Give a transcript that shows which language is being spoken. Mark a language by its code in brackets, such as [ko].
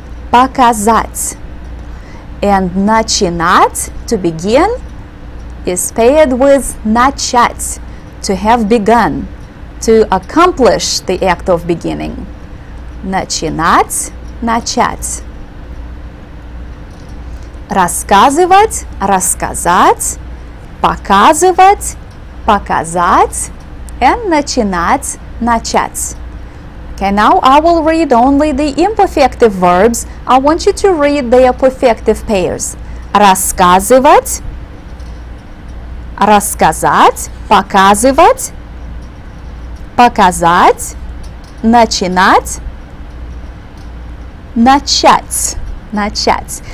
[ru] Показать. [en] And начинать, to begin, is paired with начать, to have begun, to accomplish the act of beginning. [ru] Начинать. Начать. Рассказывать, рассказать, показывать, показать, and начинать, начать. [en] Okay, now I will read only the imperfective verbs. I want you to read their perfective pairs. [ru] Рассказывать, рассказать, показывать, показать, начинать, начать, начать.